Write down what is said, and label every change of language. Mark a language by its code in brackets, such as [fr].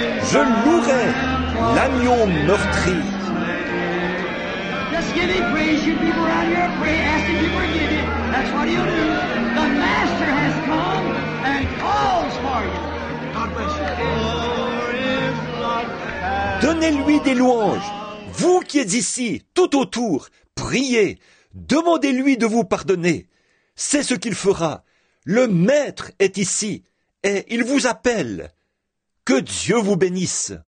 [fr] Je louerai l'agneau meurtri. [en] Just give him praise, you people around here pray, ask him to forgive you. That's what he'll do. The master has come and calls for you. God bless you. [fr] Donnez-lui des louanges. Vous qui êtes ici, tout autour, priez, demandez-lui de vous pardonner. C'est ce qu'il fera. Le Maître est ici et il vous appelle. Que Dieu vous bénisse.